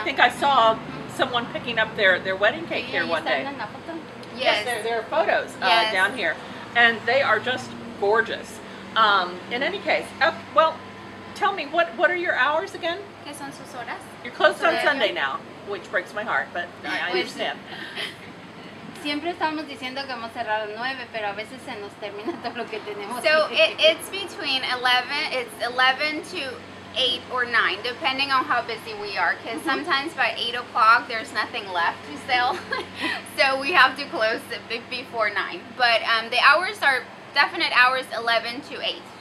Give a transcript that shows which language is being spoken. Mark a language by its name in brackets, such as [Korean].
[English] I think I saw someone picking up their wedding cake here one day. Yes, there are photos down here, and they are just gorgeous. In any case, well, tell me, what are your hours again? [Spanish] ¿Qué son sus horas? [English] You're closed on Sunday now, which breaks my heart, but I understand. [Spanish] Siempre estamos diciendo que hemos cerrado 9, pero a veces se nos termina todo lo que tenemos. [English] So it's between 11, it's 11 to 8 or 9, depending on how busy we are, because mm-hmm. sometimes by 8 o'clock there's nothing left to sell, so we have to close it before 9. But the hours are definite hours, 11 to 8.